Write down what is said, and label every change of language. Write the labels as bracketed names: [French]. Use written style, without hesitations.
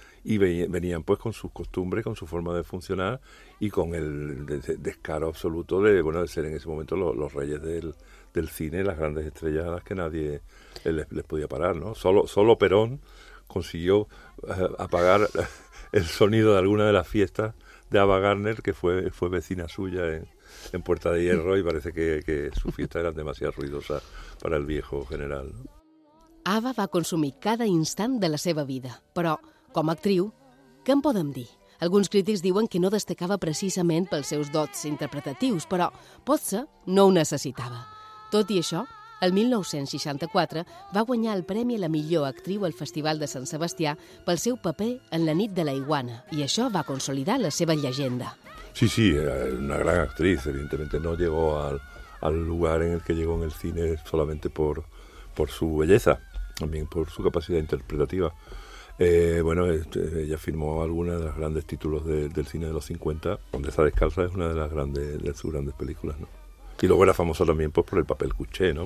[Spanish] Y venían pues con sus costumbres, con su forma de funcionar y con el descaro absoluto de ser en ese momento los reyes del cine, las grandes estrellas a las que nadie les podía parar, ¿no? Solo Perón consiguió apagar el sonido de alguna de las fiestas de Ava Gardner, que fue vecina suya en Puerta de Hierro, y parece que sus fiestas eran demasiado ruidosas para el viejo general, ¿no? [Catalan] Ava va consumir cada instant de la seva vida, però... Com a actriu, què en podem dir? Alguns crítics diuen que no destacava precisament pels seus dots interpretatius, però potser no ho necessitava. Tot i això, el 1964 va guanyar el premi a la millor actriu al Festival de Sant Sebastià pel seu paper en La nit de la iguana, i això va consolidar la seva llegenda. [Spanish] Sí, sí, una gran actriz, evidentemente. No llegó al lugar en el que llegó en el cine solamente por su belleza, también por su capacidad interpretativa. Bueno, ella firmó algunas de los grandes títulos del cine de los 50. Condesa Descalza es una de las grandes, de sus grandes películas, ¿no? Y luego era famosa también, pues, por el papel cuché, ¿no?